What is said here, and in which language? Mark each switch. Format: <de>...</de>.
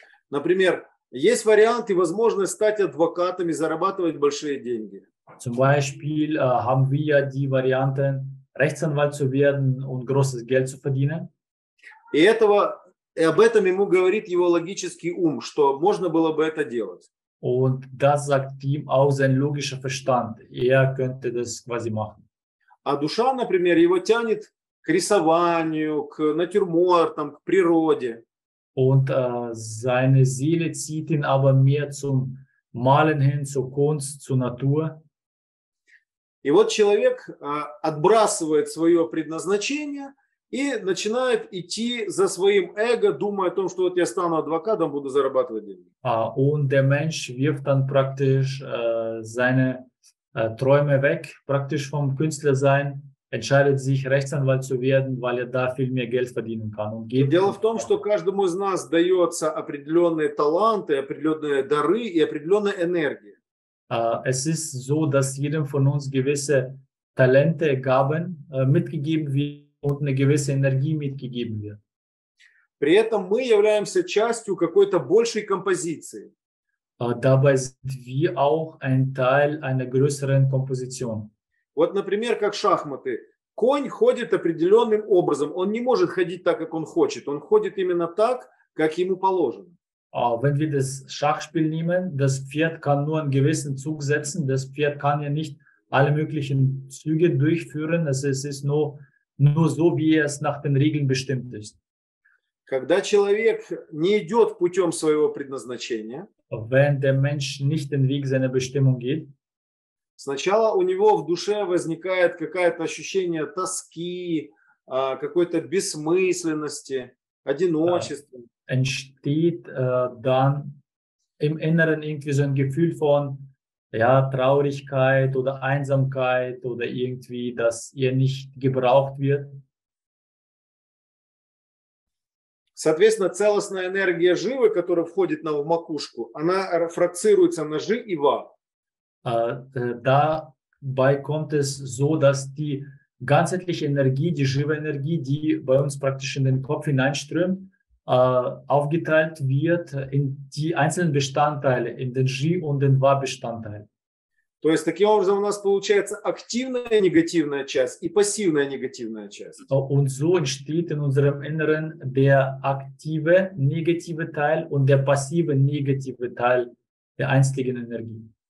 <ru>Например, есть вариант и возможность стать адвокатом и зарабатывать большие деньги.</ru> <de>Zum Beispiel haben wir ja die Varianten, Rechtsanwalt zu werden und großes Geld zu verdienen.</de> <ru>И этого, и об этом ему говорит его логический ум, что можно было бы это делать.</ru> <de>Und das sagt ihm auch sein logischer Verstand. Könnte das quasi machen.</de> <ru>А душа, например, его тянет к рисованию, к натюрмортам, к природе.</ru> <de>Und seine Seele zieht ihn aber mehr zum Malen hin, zur Kunst, zur Natur.</de> <ru>И вот человек отбрасывает свое предназначение и начинает идти за своим эго, думая о том, что вот я стану адвокатом, буду зарабатывать деньги.</ru> <de>Und der Mensch wirft dann praktisch seine Träume weg, praktisch vom Künstler sein, entscheidet sich, Rechtsanwalt zu werden, weil da viel mehr Geld verdienen kann. Und geht</de> <ru>дело в том, что каждому из нас дается определенные таланты, определенные дары и определенная энергия.</ru> <de>Es ist so, dass jedem von uns gewisse Talente, Gaben mitgegeben werden und eine gewisse Energie mitgegeben wird.</de> <ru>При этом мы являемся частью какой-то большей композиции. Dabei sind wir auch ein Teil einer größeren Komposition. Вот, например, как шахматы. Конь ходит определенным образом. Он не может ходить так, как он хочет. Он ходит именно так, как ему положено.</ru> <de>Wenn wir das Schachspiel nehmen, das Pferd kann nur einen gewissen Zug setzen. Das Pferd kann ja nicht alle möglichen Züge durchführen. Also es ist nur so, wie es nach den Regeln bestimmt ist.</de> <ru>Когда человек не идет путем своего предназначения,</ru> <de>wenn der Mensch nicht den Weg seiner Bestimmung geht,</de> <ru>сначала у него в душе возникает какое-то ощущение тоски, какой-то бессмысленности, одиночества.</ru> <de>Entsteht dann im Inneren irgendwie so ein Gefühl von ja, Traurigkeit oder Einsamkeit oder irgendwie, dass ihr nicht gebraucht wird.</de> <ru>Соответственно, целостная энергия живы, которая входит нам в макушку, она фракцируется на жи и ва.</ru> <de>Dabei kommt es so, dass die ganzheitliche Energie, die Jiva-Energie, die bei uns praktisch in den Kopf hineinströmt, aufgeteilt wird in die einzelnen Bestandteile, in den Ji- und den Va-Bestandteil.</de> <ru>То есть, таким образом, у нас получается активная негативная часть и пассивная негативная часть.</ru> <de>Und so entsteht in unserem Inneren der aktive negative Teil und der passive negative Teil der einzigen Energie.</de>